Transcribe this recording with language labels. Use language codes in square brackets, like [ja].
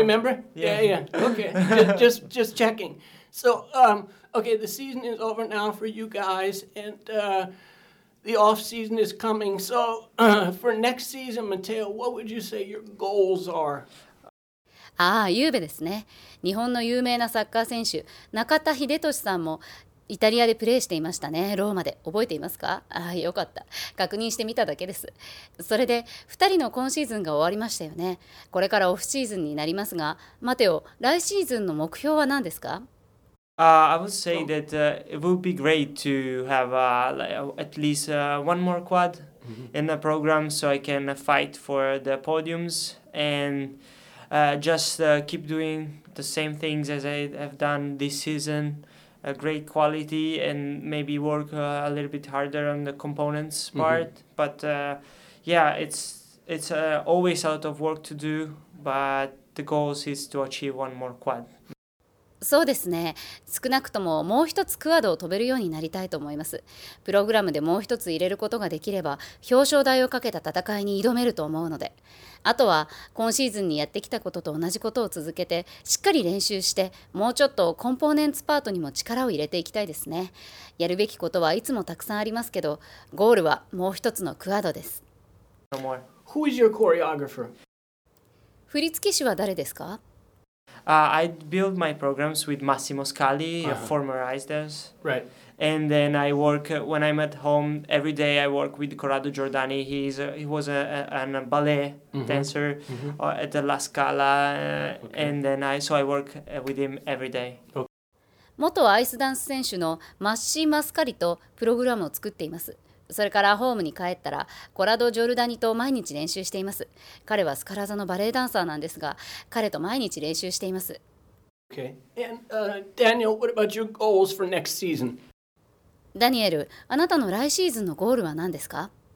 [en] Remember? Yeah, yeah. Okay. just checking. So, okay, the season is over now for you guys, and the off season is coming. So, for next season, Matteo, what would you say your goals are? [ja] ああ、ゆうべですね。日本の有名なサッカー選手、中田英寿さんもイタリアでプレーしていましたね。ローマで。覚えていますか？ああ、よかった。確認してみただけです。それで、2人の今シーズンが終わりましたよね。これからオフシーズンになりますが、マテオ、来シーズンの目標は何ですか？ [en] I would say that it would be great to have at least one more quad in the program so I can fight for the podiums and... Just keep doing the same things as I have done this season, a great quality, and maybe work a little bit harder on the components part. Mm-hmm. But yeah, it's always a lot of work to do, but the goal is to achieve one more quad. [ja] そうですね。少なくとももう一つクワードを飛べるようになりたいと思います。プログラムでもう一つ入れることができれば、表彰台をかけた戦いに挑めると思うので。あとは、今シーズンにやってきたことと同じことを続けて、しっかり練習して、もうちょっとコンポーネンツパートにも力を入れていきたいですね。やるべきことはいつもたくさんありますけど、ゴールはもう一つのクワードです。 [en] Who is your choreographer? [ja] 振付師は誰ですか？ [en] I build my programs with Massimo Scali, a former ice dance. Right. And then I work, when I'm at home, every day I work with Corrado Giordani. He was a ballet dancer at the La Scala. Okay. And then I work with him every day. Okay. [ja] 元アイスダンス選手のマッシー・マスカリとプログラムを作っています。それからホームに帰ったらコラド・ジョルダニと毎日練習しています。彼はスカラ座のバレエダンサーなんですが、彼と毎日練習しています。 [en] Okay. And, Daniel, what about your goals for next season? [ja] ダニエル、あなたの来シーズンのゴールは何ですか？